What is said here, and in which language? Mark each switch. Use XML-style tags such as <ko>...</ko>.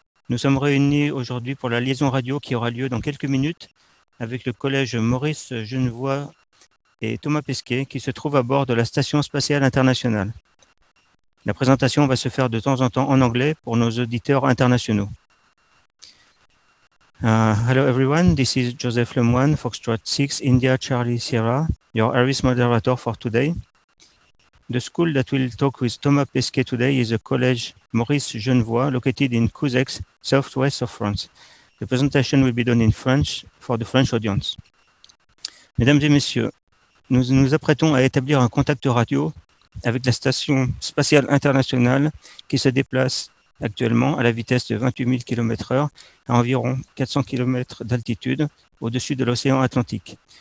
<fr>Nous sommes réunis aujourd'hui pour la liaison radio qui aura lieu dans quelques minutes avec le collège Maurice Genevoix et Thomas Pesquet qui se trouve à bord de la Station Spatiale Internationale. La présentation va se faire de temps en temps en anglais pour nos auditeurs internationaux.</fr> <en>Hello everyone, this is Joseph Lemoine, Foxtrot 6, India, Charlie Sierra, your ARIS moderator for today. The school that will talk with Thomas Pesquet today is the College Maurice Genevoix, located in Couzex, southwest of France. The presentation will be done in French for the French audience.</en> <fr>Mesdames et messieurs, nous nous apprêtons à établir un contact radio avec la Station Spatiale Internationale qui se déplace actuellement à la vitesse de 28 000 km/h à environ 400 km d'altitude au-dessus de l'océan Atlantique.</fr>